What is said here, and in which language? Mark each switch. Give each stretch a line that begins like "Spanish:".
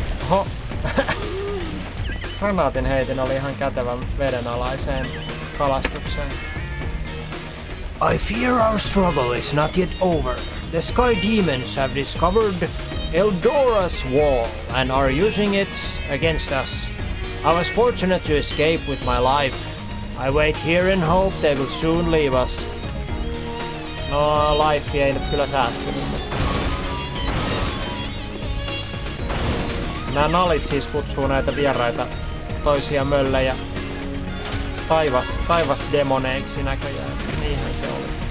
Finnish: Oho. Granaatin heitin oli ihan kätevän vedenalaiseen kalastukseen.
English: I fear our struggle is not yet over. The Sky Demons have discovered Eldora's Wall and are using it against us. I was fortunate to escape with my life. I wait here in hope they will soon leave us.
Finnish: No, life ei nyt kyllä säästynyt. Nämä nalit siis kutsuu näitä vieraita toisia möllejä taivasdemoneiksi näköjään. Niinhän se oli.